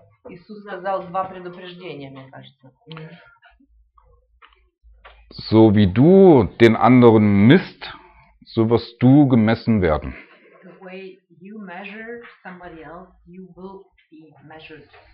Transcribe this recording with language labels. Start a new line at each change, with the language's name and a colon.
Russian: Иисус сказал два предупреждения, мне кажется.
German: So wie du den anderen misst, so wirst du gemessen werden.
English: The way you measure somebody else, you will be measured.